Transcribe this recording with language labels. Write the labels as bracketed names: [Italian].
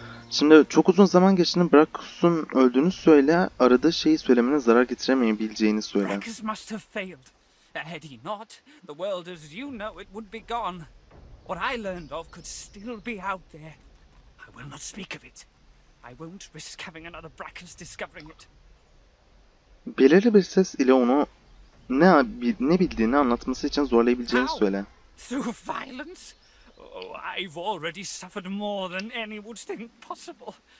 [Turkish] Şimdi çok uzun zaman geçtiğini, Bracchus'un öldüğünü söyle, aradığı şeyi söylemene zarar getiremeyebileceğini söyle. [English] Bracchus must have failed. Had he not, the world as you know it would be gone. What I learned of could still be out there. I will not speak of it. I won't risk having another Bracchus discovering it. [Turkish] Belirli bir ses ile onu ne bildiğini anlatması için zorlayabileceğini söyle. [English] Through violence? I've already suffered more than any would think possible.